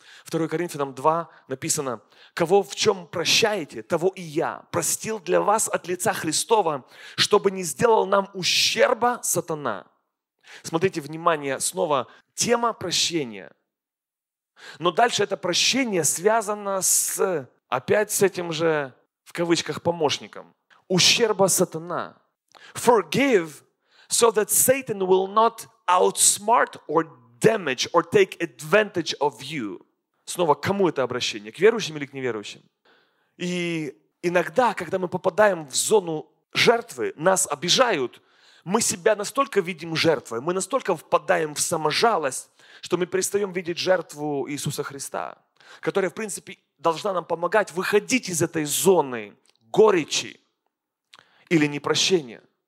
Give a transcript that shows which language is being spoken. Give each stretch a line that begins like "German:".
Russian: 2 Коринфянам 2 написано, «Кого в чем прощаете, того и я простил для вас от лица Христова, чтобы не сделал нам ущерба сатана». Смотрите, внимание, снова тема прощения. Но дальше это прощение связано с, опять с этим же, в кавычках, помощником. ущерба сатана.
English: Forgive so that Satan will not outsmart or damage or take advantage of you.
Russian: Снова, к кому это обращение? К верующим или к неверующим? И иногда, когда мы попадаем в зону жертвы, нас обижают, мы себя настолько видим жертвой, мы настолько впадаем в саможалость, что мы перестаем видеть жертву Иисуса Христа, которая, в принципе, должна нам помогать выходить из этой зоны горечи или непрощения.